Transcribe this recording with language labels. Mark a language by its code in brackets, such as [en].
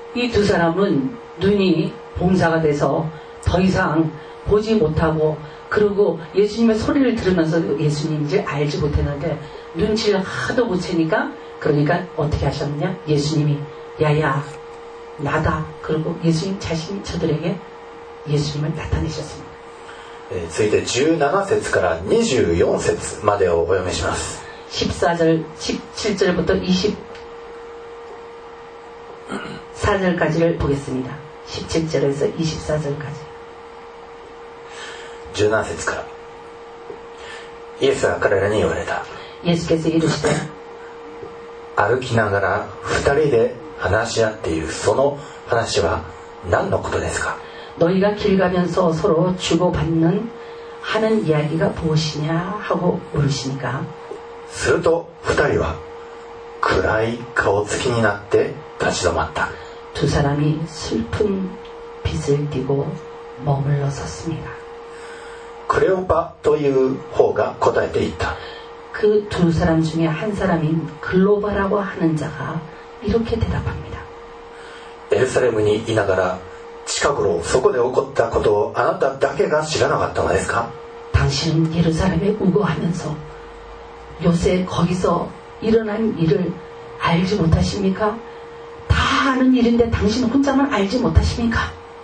[ko] 이두사람은눈이봉사가돼서더이상보지못하고그리고예수님의소리를들으면서예수님인지알지못했는데눈치를하도못채니까그러니까어떻게하셨느냐예수님이야야나다그리고예수님자신이저들에게예수님을나타내셨습니다 [ja] 続いて17節から24節までをお読みします [ko] 14절17절부터24절까지를보겠습니다17절에서24절까지 [ja] 17節からイエスは彼らに言われた [ko] イエス께서이르시되 [ja] 歩きながら二人で話し合っているその話は何のことですか [ko] 너희가길가면서서로주고받는하는이야기가무엇이냐하고물으시니까 [ja] すると二人は暗い顔つきになって立ち止まった [ko] 두사람이슬픈 빛을띠고머물러섰습니다 [ja] クレオパという方が答えていた [ko] 그두사람중에한사람인글로바라고하는자가이렇게대답합니다 [ja] エルサレムにいながら近頃そこで起こったことをあなただけが知らなかったのですか [ko] 당신은예루살렘에우거하면서요새거기서일어난일을알지못하십니까다아는일인데당신혼자만알지못하십니까